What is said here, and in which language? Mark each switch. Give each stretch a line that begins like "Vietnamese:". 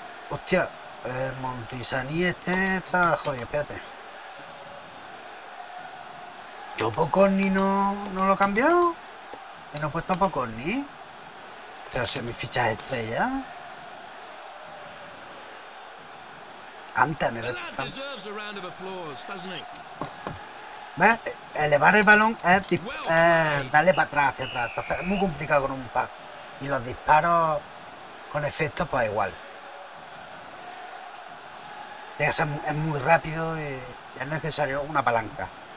Spanish: Hostia, el Montisani este está jodido. Espérate. Yo Pocorni no lo he cambiado. Me no he puesto Pocorni. Pero si mis fichas estrella. Hunter, me parece.
English: That deserves a round of applause, doesn't he?
Spanish: ¿Ves? Elevar el balón es darle para atrás, hacia atrás. Entonces es muy complicado con un pass. Y los disparos con efecto, pues igual. Es muy rápido y es necesario una palanca.